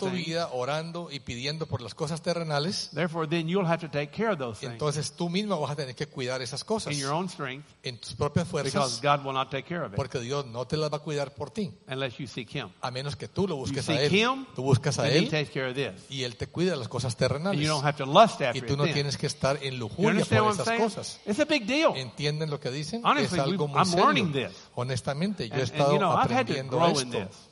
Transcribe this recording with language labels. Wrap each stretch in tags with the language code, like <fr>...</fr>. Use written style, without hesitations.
<es>Pasarás toda tu vida orando y pidiendo por las cosas terrenales.</es> <en>Therefore, then you'll have to take care of those things.</en> <es>Entonces tú mismo vas a tener que cuidar esas cosas.</es> <en>In your own strength.</en> <es>En tus propias fuerzas.</es> <en>Because God will not take care of it.</en> <es>Porque Dios no te las va a cuidar por ti.</es> <en>Unless you seek him.</en> <es>A menos que tú lo busques a él.</es> <en>Him,</en> <es>tú buscas a él.</es> <en>He takes care of this.</en> <es>Y él te cuida las cosas terrenales.</es> <en>And you don't have to lust after</en> <es>y tú no tienes que estar en lujuria por esas cosas.</es> <en>It's a big deal.</en> <es>¿Entienden lo que dicen?</es> <en>Honestly,</en> <es>es algo</es> <en>I'm learning this.</en> <es>Honestamente, yo he estado aprendiendo esto.</es>